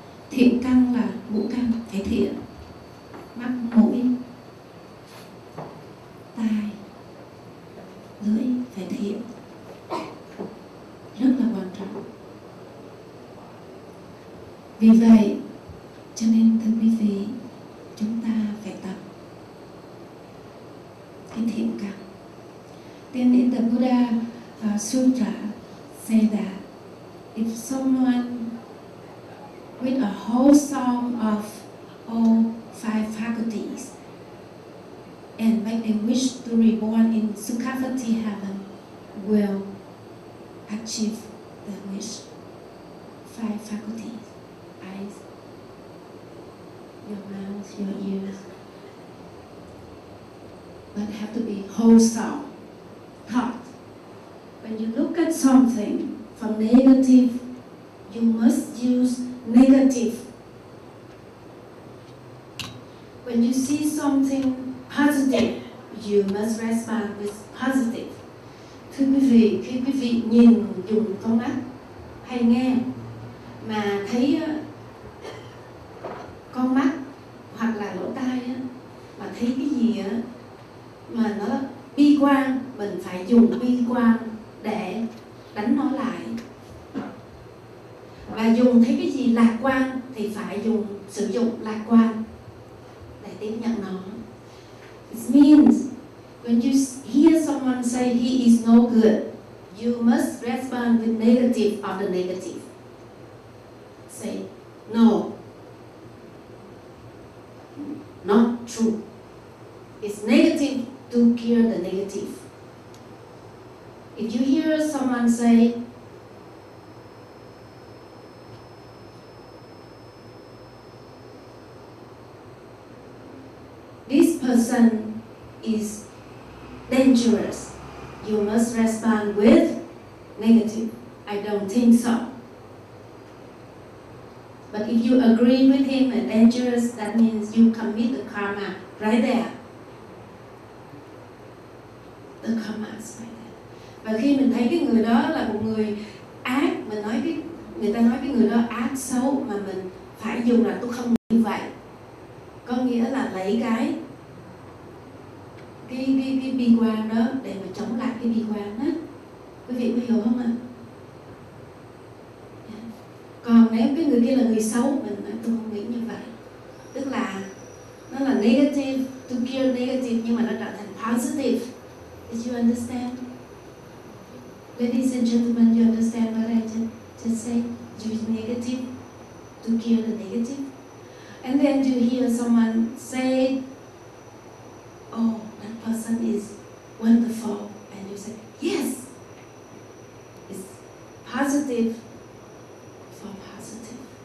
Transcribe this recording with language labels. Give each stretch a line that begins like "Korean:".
Vietnamese: Thiện căn là ngũ căn, phải thiện mắt, mũi, tai, lưỡi, phải thiện, rất là quan trọng. Vì vậy cho nên thưa quý vị, chúng ta phải tập cái thiện căn.
English: Then in the Buddha sutra say that if someone with a whole song of all five faculties and make a wish to reborn in Sukhavati heaven will achieve the wish. Five faculties: eyes, your mouth, your ears. But have to be whole song, thought. When you look at something from negative, you must use negative. When you see something positive, you must respond with positive.
Vietnamese: Thưa quý vị, khi quý vị nhìn dùng con mắt hay nghe mà thấy con mắt hoặc là lỗ tai mà thấy cái gì mà nó bi quan, mình phải dùng bi quan để đánh nó lại. Và dùng thấy cái gì lạc quan thì phải dùng sử dụng lạc quan để tiếp nhận nó.
English: It means when you hear someone say he is no good, you must respond with negative of the negative. Say no, not true. It's negative to cure the negative. If you hear someone say this person is dangerous, you must respond with negative. I don't think so. But if you agree with him and dangerous, that means you commit the karma right there. The karma is right there.
Vietnamese: Và khi mình thấy cái người đó là một người ác, mình nói cái người ta nói cái người đó ác xấu, mà mình phải dùng là tôi không như vậy. Có nghĩa là lấy cái bi quan đó để mà chống lại cái bi quan đó. Quý vị có hiểu không ạ? Còn nếu cái người kia là người xấu, mình nói tôi không nghĩ như vậy. Tức là nó là
English: negative, to cure negative,
Vietnamese: nhưng mà nó trở thành positive.
English: Did you understand? Ladies and gentlemen, you understand what I just said? Use negative to cure the negative. And then you hear someone say, oh, that person is wonderful. And you say, yes, it's positive for positive.